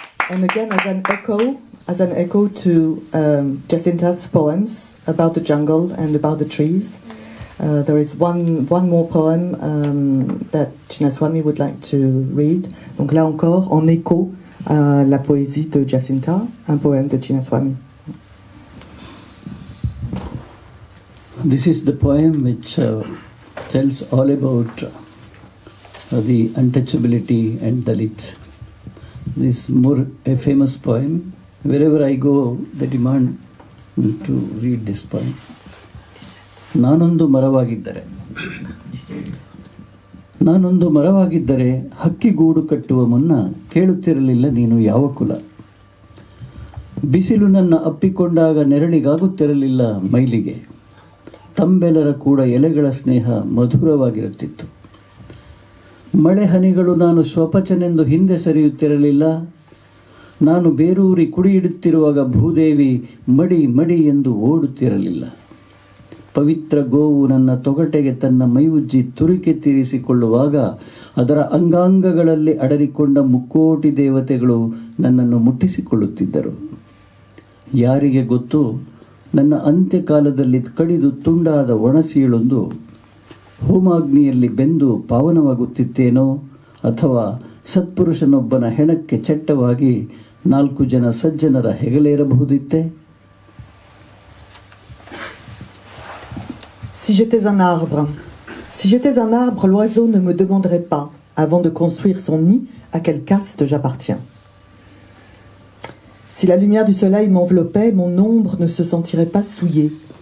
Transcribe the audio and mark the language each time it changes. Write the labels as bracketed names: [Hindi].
[English] And again, as an echo to Jacinta's poems about the jungle and about the trees, there is one more poem that Chinnaswamy would like to read. [French] Donc là encore, en écho, la poésie de Jacinta, un poème de Chinnaswamy. [English] This is the poem which tells all about the untouchability and Dalit. This is more a famous poem. Wherever I go, they demand to read this poem. [Kannada] ನಾನೊಂದು ಮರವಾಗಿದ್ದರೆ, ನಾನೊಂದು ಮರವಾಗಿದ್ದರೆ ಹಕ್ಕಿಗೂಡು ಕಟ್ಟುವ ಮುನ್ನ ಕೇಳುತ್ತಿರಲಿಲ್ಲ ನೀನು ಯಾವ ಕುಲ. ಬಿಸಿಲು ನನ್ನ ಅಪ್ಪಿಕೊಂಡಾಗ ನೆರಳಿಗಾಗುತ್ತಿರಲಿಲ್ಲ ಮೈಲಿಗೆ. ತಂಬೆಲ್ಲರ ಕೂಡ ಎಲೆಗಳ ಸ್ನೇಹ ಮಧುರವಾಗಿರುತ್ತಿತ್ತು. ಮಳೆ ಹನಿಗಳು ನಾನು ಸ್ವಪಚನೆಂದು ಹಿಂದೆ ಸರಿಯುತ್ತಿರಲಿಲ್ಲ. ನಾನು ಬೇರೂರಿ ಕುಡಿಯಿಡುತ್ತಿರುವಾಗ ಭೂದೇವಿ ಮಡಿ ಮಡಿ ಎಂದು ಓಡುತ್ತಿರಲಿಲ್ಲ. ಪವಿತ್ರ ಗೋವು ನನ್ನ ತೊಗಟೆಗೆ ತನ್ನ ಮೈವುಜ್ಜಿ ತುರಿಕೆ ತೀರಿಸಿಕೊಳ್ಳುವಾಗ ಅದರ ಅಂಗಾಂಗಗಳಲ್ಲಿ ಅಡರಿಕೊಂಡ ಮುಕ್ಕೋಟಿ ದೇವತೆಗಳು ನನ್ನನ್ನು ಮುಟ್ಟಿಸಿಕೊಳ್ಳುತ್ತಿದ್ದರು. ಯಾರಿಗೆ ಗೊತ್ತು, ನನ್ನ ಅಂತ್ಯಕಾಲದಲ್ಲಿ ಕಡಿದು ತುಂಡಾದ ಒಣಸೀಳೊಂದು ಹೋಮಾಗ್ನಿಯಲ್ಲಿ ಬೆಂದು ಪಾವನವಾಗುತ್ತಿತ್ತೇನೋ, ಅಥವಾ ಸತ್ಪುರುಷನೊಬ್ಬನ ಹೆಣಕ್ಕೆ ಚಟ್ಟವಾಗಿ ನಾಲ್ಕು ಜನ ಸಜ್ಜನರ ಹೆಗಲೇರಬಹುದಿತ್ತೆ. [French] Si j'étais un arbre, si j'étais un arbre, l'oiseau ne me demanderait pas, avant de construire son nid, à quelle caste j'appartiens. Si la lumière du soleil m'enveloppait, mon ombre ne se sentirait pas souillée.